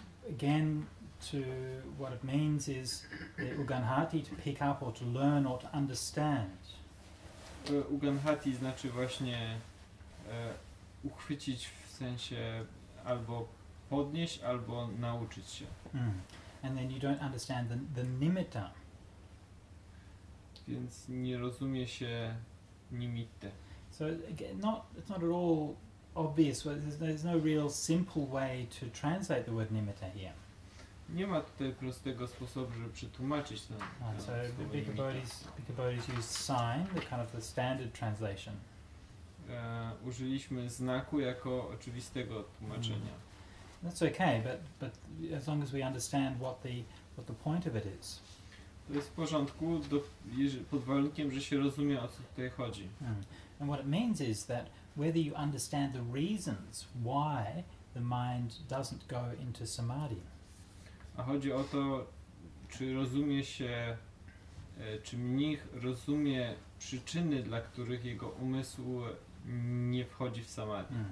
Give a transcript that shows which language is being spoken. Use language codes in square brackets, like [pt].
[en] Again to what it means is the uganhati to pick up or to learn or to understand. [pl] Uganhati znaczy właśnie uchwycić w sensie albo podnieść, albo nauczyć się. [en] And then you don't understand the nimitta. [pl] Więc nie rozumie się nimitte. [en] So again, it's not at all obvious. There's no real simple way to translate the word nimitta here. [pl] Nie ma tutaj prostego sposobu, żeby przetłumaczyć ten. [en] So Bhikkhu Bodhi's used sign, the kind of the standard translation. [pl] Użyliśmy znaku jako oczywistego tłumaczenia. [en] That's okay, but as long as we understand what the point of it is. [pl] To jest w porządku, pod warunkiem, że się rozumie, o co tutaj chodzi. [en] And what it means is that whether you understand the reasons why the mind doesn't go into samadhi. [pl] A chodzi o to, czy rozumie się, czy mnich rozumie przyczyny, dla których jego umysł nie wchodzi w samadhi.